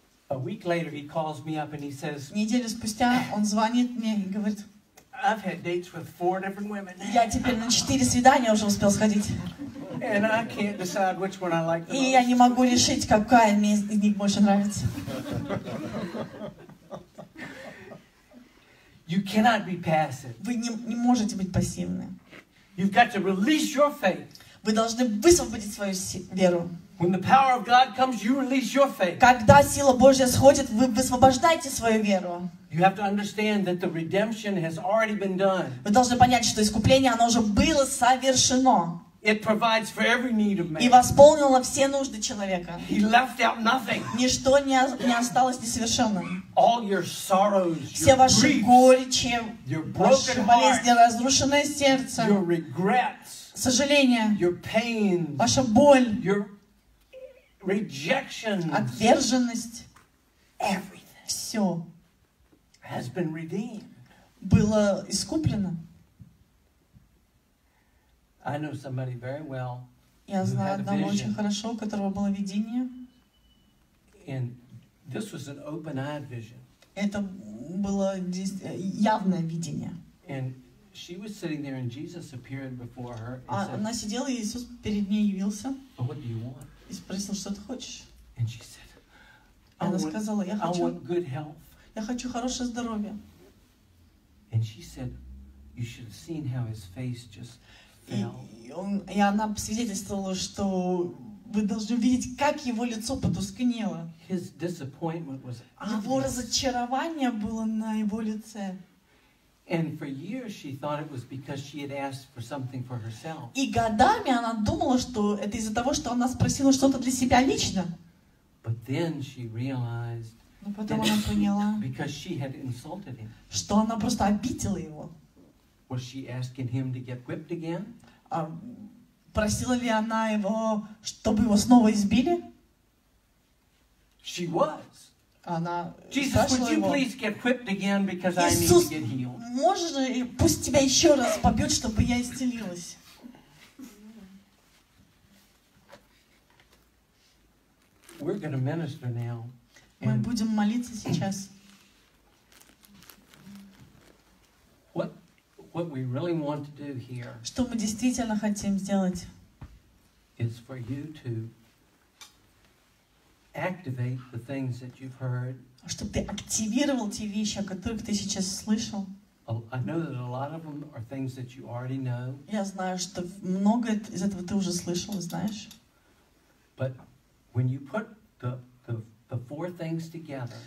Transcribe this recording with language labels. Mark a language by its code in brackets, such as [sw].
[en] A week later, he calls me up and he says. [ru] Неделю спустя он звонит мне и говорит. [en] I've had dates with four different women. [ru] Я теперь на четыре свидания уже успел сходить. [en] And I can't decide which one I like the most. [ru] И я не могу решить, какая мне из них больше нравится. [en] You cannot be passive. [ru] Вы не можете быть пассивны. [en] You've got to release your faith. [ru] Вы должны высвободить свою веру. [en] When the power of God comes, you release your faith. [ru] Когда сила Божья сходит, вы высвобождаете свою веру. [en] You have to understand that the redemption has already been done. [ru] Вы должны понять, что искупление оно уже было совершено. [en] It provides for every need of man. [ru] И восполнило все нужды человека. [en] He left out nothing. [ru] Ничто не осталось несовершенным. [en] All your sorrows, [ru] все ваши горечи, [en] your broken [ru] болезни, разрушенное сердце, [en] your regrets, [ru] сожаления, [en] your pain, [ru] ваша боль, [en] your rejection, [ru] отверженность, [en] everything, [ru] все [en] has been redeemed. [ru] Было искуплено. [en] I know somebody very well. [ru] Я знаю одного очень хорошо, у которого было видение. [en] And this was an open-eyed vision. [ru] Это было явное видение. [en] And she was sitting there, and Jesus appeared before her. [ru] Она сидела, и Иисус перед ней явился. [en] But what do you want? [ru] И спросил, что ты хочешь? [en] And she said, [ru] она сказала, я хочу. [en] I want good health. [ru] Я хочу хорошее здоровье. [en] And she said, you should have seen how his face just. [ru] И она свидетельствовала, что вы должны видеть, как его лицо потускнело. [en] His disappointment was obvious. [ru] Его разочарование было на его лице. [en] And for years she thought it was because she had asked for something for herself. [ru] И годами она думала, что это из-за того, что она спросила что-то для себя лично. [en] But then she realized. [ru] Но потом она поняла. [en] Because she had insulted him. [ru] Что она просто обидела его. [en] Was she asking him to get whipped again? [ru] Просила ли она его, чтобы его снова избили? [en] She was. [ru] Она [en] Jesus, would you [ru] его, [en] please get whipped again because [ru] Иисус, [en] I need to get healed? [ru] Можешь ли, пусть тебя еще раз побьют, чтобы я исцелилась? [en] We're gonna minister now. [ru] Мы будем молиться сейчас. [en] What we really want to do here. [ru] Что мы действительно хотим сделать? [en] Is for you to activate the things that you've heard. [ru] Чтобы ты активировал те вещи, о которых ты сейчас слышал. [en] I know that a lot of them are things that you already know. [ru] Я знаю, что много из этого ты уже слышал, знаешь. [en] But when you put the four things together.